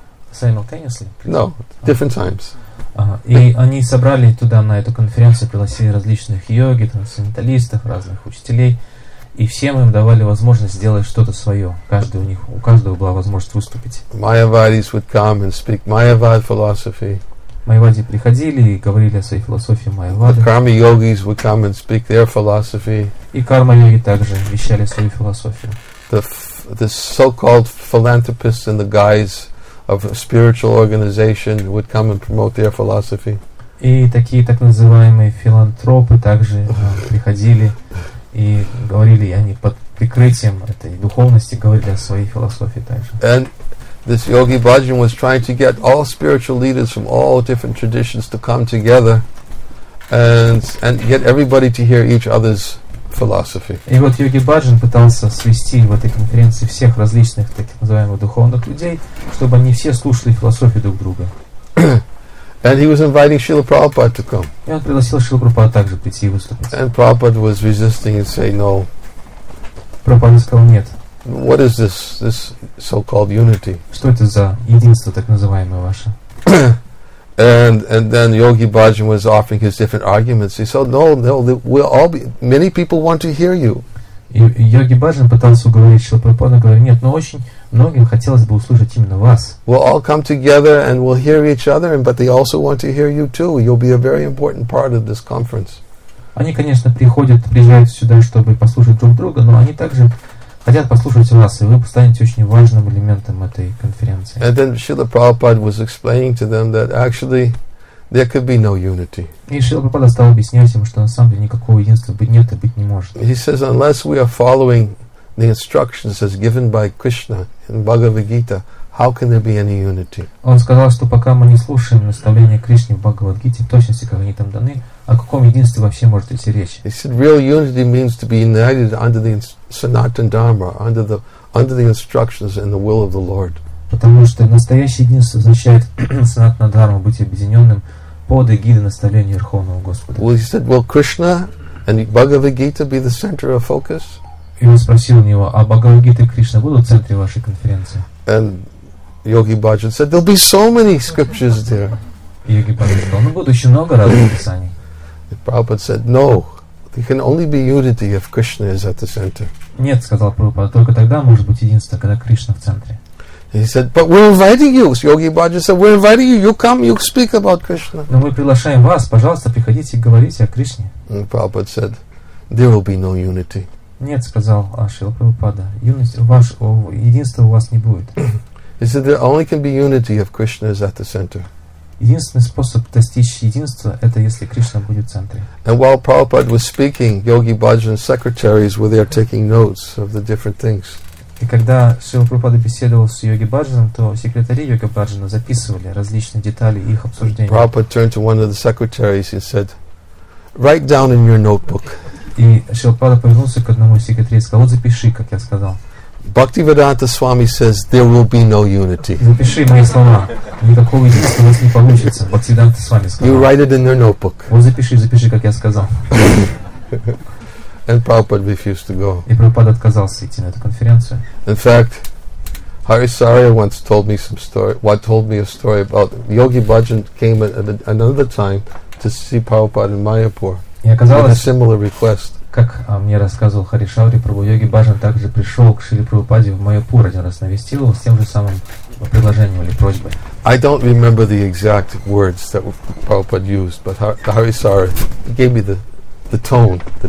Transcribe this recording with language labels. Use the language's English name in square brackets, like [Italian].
[English] Simultaneously? No, different times. [Russian] И они собрали туда, на эту конференцию, пригласили различных йоги, трансценденталистов, разных учителей, и всем им давали возможность сделать что-то свое. Каждый у них, у каждого была возможность выступить. [English] Mayavadis would come and speak Mayavad philosophy. [Russian] Майявади приходили и говорили о своей философии майявады. [English] Karma yogis would come and speak their philosophy. [Russian] И карма-йоги также вещали свою философию. [English] The so-called philanthropists in the guise of a spiritual organization would come and promote their philosophy. [Russian] И такие так называемые филантропы также приходили и говорили, они под прикрытием этой духовности говорили о своей философии также. [English] And this yogi Bhajan was trying to get all spiritual leaders from all different traditions to come together and get everybody to hear each other's philosophy. [Russian] И вот йоги Бхаджан пытался свести в этой конференции всех различных так называемых духовных людей, чтобы они все слушали философию друг друга. [English] And he was inviting Srila Prabhupada to come. [Russian] И он пригласил Шрилу Прабхупаду также прийти и выступить. [English] And Prabhupada was resisting and saying no. [Russian] Прабхупада сказал нет. [English] What is this so-called unity? [Russian] Что это за единство так называемое ваше? [English] And then Yogi Bhajan was offering his different arguments. He said, no, we'll all be. Many people want to hear you. [Russian] Йоги Бхаджан пытался уговорить Шрилу Прабхупаду, говорит, нет, но очень многим хотелось бы услышать именно вас. [English] We'll all come together and we'll hear each other, but they also want to hear you too. You'll be a very important part of this conference. [Russian] Они, конечно, приезжают сюда, чтобы послушать друг друга, но они также хотят послушать вас, и вы станете очень важным элементом этой конференции. [English] And then Srila Prabhupada was explaining to them that actually there could be no unity. [Russian] И Шрила Прабхупада стал объяснять им, что на самом деле никакого единства нет и быть не может. [English] He says, unless we are following the instructions as given by Krishna in Bhagavad Gita, how can there be any unity? [Russian] Он сказал, что пока мы не слушаем наставления Кришны в Бхагавад Гите, точности, как они там даны, о каком единстве вообще может идти речь? [English] He said, real unity means to be united under the Sanatana Dharma, under the instructions and the will of the Lord. [Russian] Потому что настоящее единство означает Санатана Дхарма, быть объединенным под эгидой наставления Верховного Господа. [English] Well, he said, will Krishna and Bhagavad Gita be the center of focus? [Russian] И он спросил у него, а Бхагавад Гита и Кришна будут в центре вашей конференции? [English] And Yogi Bhajan said, there'll be so many scriptures there. [Russian] Йоги Бхаджан сказал, ну будет еще много разных писаний. [English] And Prabhupada said, no, there can only be unity if Krishna is at the center. [Russian] Нет, сказал Прабхупада, только тогда может быть единство, когда Кришна в центре. [English] He said, but we're inviting you. Yogi Bhajan said, we're inviting you. You come, you speak about Krishna. [Russian] Но мы приглашаем вас, пожалуйста, приходите и говорите о Кришне. [English] And Prabhupada said, there will be no unity. [Russian] Нет, сказал Шрила Прабхупада, единства у вас не будет. [English] He said, there only can be unity if Krishna is at the center. [Russian] Единственный способ достичь единства, это если Кришна будет в центре. [English] And while Prabhupada was speaking, Yogi Bhajan's secretaries were there taking notes of the different things. [Russian] И когда Шрила Прабхупада беседовал с Йоги Бхаджаном, то секретари Йоги Бхаджана записывали различные детали их обсуждения. [English] Prabhupada turned to one of the secretaries and said, write down in your notebook. [Russian] И Шилпада повернулся к одному из секретарей и сказал, вот запиши, как я сказал. [English] Бхактивиданта Свами says, there will be no unity. [Russian] Запиши мои слова. Никакого единства у нас не получится. Бхактивиданта Свами сказал. [English] You write it in your notebook. [Russian] Вот запиши, как я сказал. [English] And Prabhupada refused to go. [Russian] И Прабхупада отказался идти на эту конференцию. [English] In fact, Harisarya once told me a story about Yogi Bhajan came at another time to see Prabhupada in Mayapur. [Russian] И оказалось, [English] similar request. [Russian] Как мне рассказывал Харишаури, Прабху-йоги Бхаджан также пришел к Шриле Прабхупаде в Майяпур, один раз навестил его с тем же самым предложением или просьбой. [English] I don't remember the exact words that Prabhupada used, but Harisarya gave me the tone.